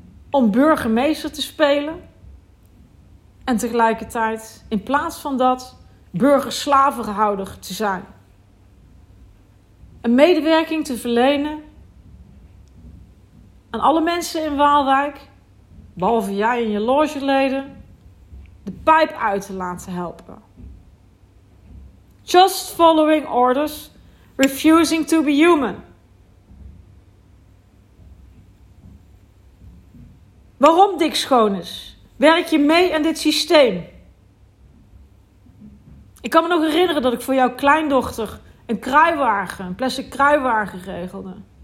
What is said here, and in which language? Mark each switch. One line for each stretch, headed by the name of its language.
Dutch: Om burgemeester te spelen en tegelijkertijd in plaats van dat burgerslavenhouder te zijn. Een medewerking te verlenen aan alle mensen in Waalwijk, behalve jij en je logeleden, de pijp uit te laten helpen.
English: Just following orders, refusing to be human.
Dutch: Waarom, Dick Schoones, werk je mee aan dit systeem? Ik kan me nog herinneren dat ik voor jouw kleindochter een kruiwagen, een plastic kruiwagen regelde.